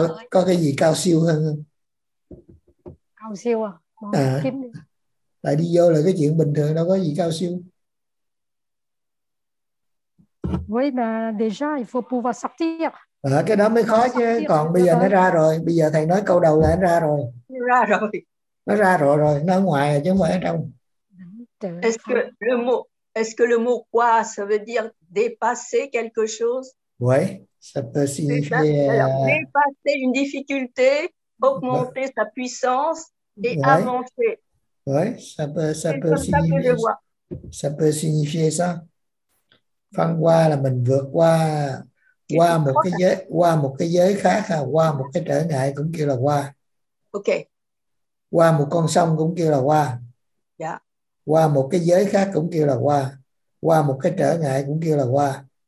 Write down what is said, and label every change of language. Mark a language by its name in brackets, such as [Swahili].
[Vietnamese] Có cái gì cao siêu hơn không? Cao siêu à? Tại đi vô là cái chuyện bình thường, đâu có gì cao siêu. [French] Oui, mais déjà, il faut pouvoir sortir. [Vietnamese] À, cái đó mới khó chứ. Còn bây giờ nó ra rồi. Bây giờ thầy nói câu đầu là nó ra rồi. Ra rồi. Nó ra rồi rồi. Nó ngoài chứ không phải ở trong. [French] Est-ce que le mot quoi, ça veut dire dépasser quelque chose? Oui, ça peut signifier... Dépasser une difficulté, augmenter sa puissance et avancer. Oui, ça peut signifier ça. Ça peut signifier ça. [Vietnamese] Phan qua là mình vượt qua qua một cái giới khác, qua một cái trở ngại cũng kêu là qua. Ok. Qua một con sông cũng kêu là qua. Dạ. Qua một cái giới khác cũng kêu là qua. Qua một cái trở ngại cũng kêu là qua.